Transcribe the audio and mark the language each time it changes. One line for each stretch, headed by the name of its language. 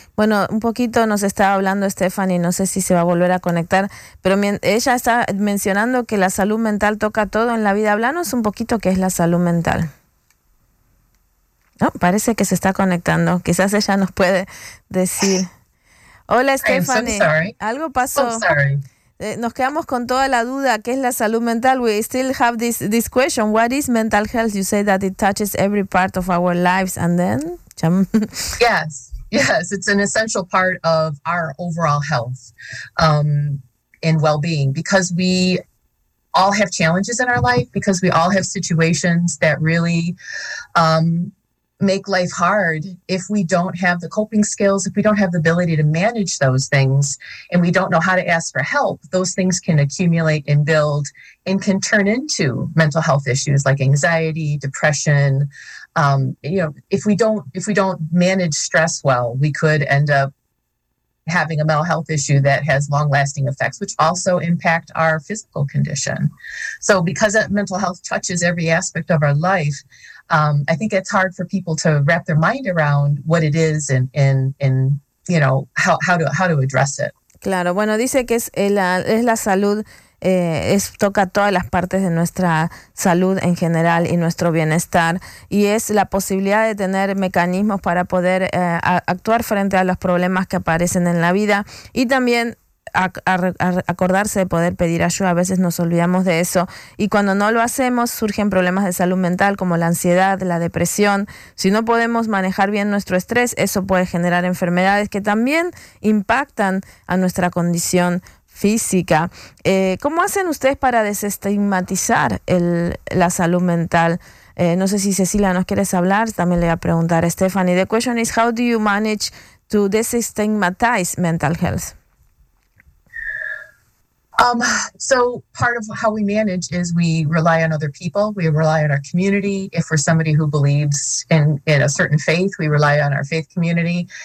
Spanish: Bueno, un poquito nos estaba hablando Stephanie, no sé si se va a volver a conectar, pero ella está mencionando que la salud mental toca todo en la vida. Háblanos un poquito qué es la salud mental. No, parece que se está conectando. Quizás ella nos puede decir. Hola, Stephanie.
English: I'm so sorry.
Spanish: Algo pasó.
English: I'm sorry.
Spanish: Nos quedamos con toda la duda, ¿qué es la salud mental?
English: We still have this question. What is mental health? You say that it touches every part of our lives. And then? Yes. It's an essential part of our overall health and well-being, because we all have challenges in our life, because we all have situations that really make life hard. If we don't have the coping skills, if we don't have the ability to manage those things, and we don't know how to ask for help, those things can accumulate and build and can turn into mental health issues like anxiety, depression. If we don't manage stress well, we could end up having a mental health issue that has long-lasting effects, which also impact our physical condition. So because mental health touches every aspect of our life, I think it's hard for people to wrap their mind around what it is and you know, how to address it.
Spanish: Claro, bueno, dice que es la salud, toca todas las partes de nuestra salud en general y nuestro bienestar, y es la posibilidad de tener mecanismos para poder actuar frente a los problemas que aparecen en la vida, y también acordarse de poder pedir ayuda. A veces nos olvidamos de eso, y cuando no lo hacemos surgen problemas de salud mental como la ansiedad, la depresión. Si no podemos manejar bien nuestro estrés, eso puede generar enfermedades que también impactan a nuestra condición física. ¿Cómo hacen ustedes para desestigmatizar la salud mental? No sé si Cecilia nos quieres hablar, también le voy a preguntar a Stephanie.
English: The question is, how do you manage to desestigmatize mental health? So part of how we manage is we rely on other people. We rely on our community. If we're somebody who believes in a certain faith, we rely on our faith community.